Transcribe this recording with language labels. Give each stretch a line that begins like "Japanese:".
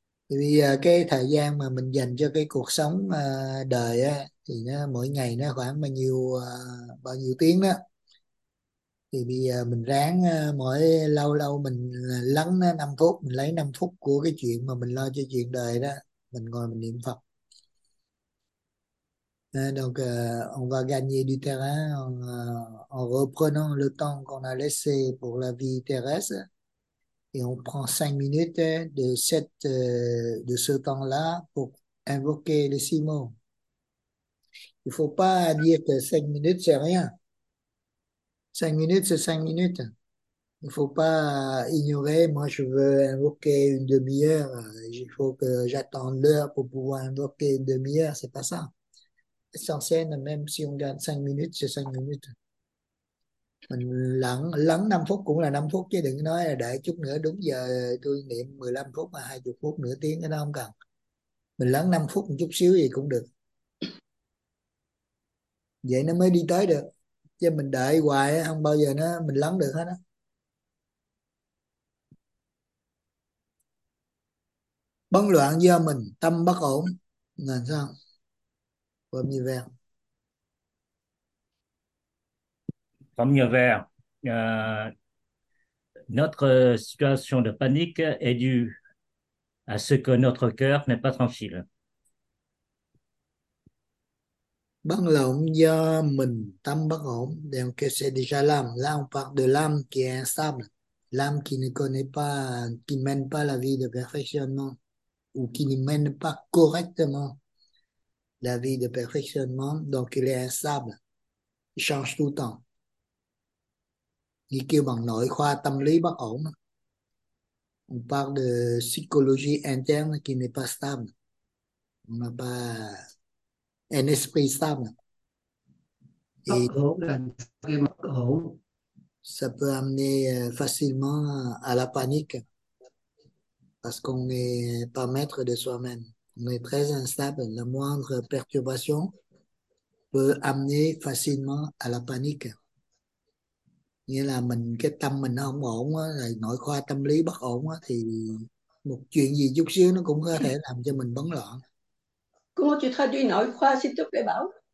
Vietnamese: Vì cái thời gian mà mình dành cho cái cuộc sống đời á, thì nó mỗi ngày nó khoảng bao nhiêu tiếng đó, thì bây giờ mình ráng mỗi lâu lâu mình lắng 5 phút, mình lấy 5 phút của cái chuyện mà mình lo cho chuyện đời đó, mình ngồi mình niệm Phật.
French: Donc on va gagner du terrain en reprenant le temps qu'on a laissé pour la vie terrestre. Et on prend 5 minutes de ce temps-là pour invoquer les 6 mots. Il faut pas dire que 5 minutes, c'est rien. 5 minutes, c'est 5 minutes. Il faut pas ignorer. Moi, je veux invoquer une demi-heure. Il faut que j'attende l'heure pour pouvoir invoquer une demi-heure. C'est pas ça. Essentiel, même si on garde 5 minutes, c'est 5 minutes.
Vietnamese: Mình lắng lắng 5 phút cũng là 5 phút, chứ đừng nói là đợi chút nữa đúng giờ tôi niệm 15 phút mà 20 phút nửa tiếng, cái đó không cần. Mình lắng 5 phút một chút xíu gì cũng được, vậy nó mới đi tới được chứ mình đợi hoài không bao giờ nó mình lắng được hết á. Bấn loạn do mình, tâm bất ổn làm sao gồm như vậy.
French: Comme nhiều vers, notre situation de panique est due à ce que notre cœur n'est pas tranquille.
Vietnamese: Bấn loạn do mình, tâm bất ổn,
French: donc c'est déjà l'âme. Là on parle de l'âme qui est instable, l'âme qui ne connaît pas, qui ne mène pas la vie de perfectionnement, ou qui ne mène pas correctement la vie de perfectionnement, donc il est instable, il change tout le temps.
Vietnamese: Il kêu bằng nội khoa tâm lý bất ổn.
French: On parle de psychologie interne qui n'est pas stable. On n'a pas un esprit stable.
Vietnamese: Bất
French: Et
Vietnamese: ổn là cái bất ổn.
French: ça peut amener facilement à la panique parce qu'on n'est pas maître de soi-même. On est très instable. La moindre perturbation peut amener facilement à la panique.
Vietnamese: Nghĩa là mình cái tâm mình nó không ổn á, là nội khoa tâm lý bất ổn á, thì một chuyện gì chút xíu nó cũng có thể làm cho mình bấn loạn.
French: Comment tu traduis nội khoa, s'il te plaît, Bảo?